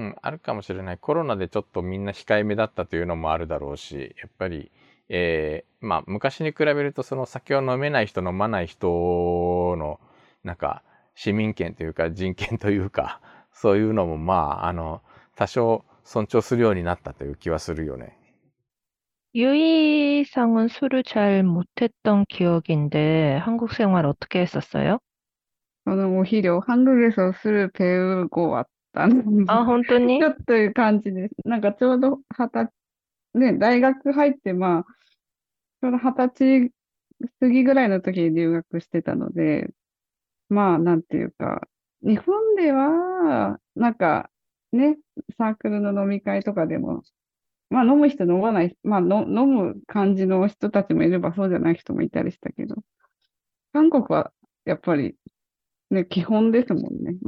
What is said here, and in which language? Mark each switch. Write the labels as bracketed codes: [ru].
[ja] あるかもしれない。コロナでちょっとみんな控えめだったというのもあるだろうし、やっぱりまあ、昔に比べるとその酒を飲めない人、飲まない人のなんか市民権というか人権というか、そういうのもまあ多少尊重するようになったという気はするよね。 [ko] 유이 상은 술을 잘 못했던 기억인데 한국 생활 어떻게 했었어요? 저는 오히려 한국에서 술을 배우고 왔다는 아, 것들 [ja] 本当に? 感じ です。なんかちょうど20、ね、大学入って、まあ、ちょうど20歳過ぎぐらいの時に留学してたので、まあ、なんていうか、日本では、なんか、ね、サークルの飲み会とかでも、まあ飲む人飲まない、まあ飲む感じの人たちもいればそうじゃない人もいたりしたけど、韓国はやっぱり、ね、基本ですもんね。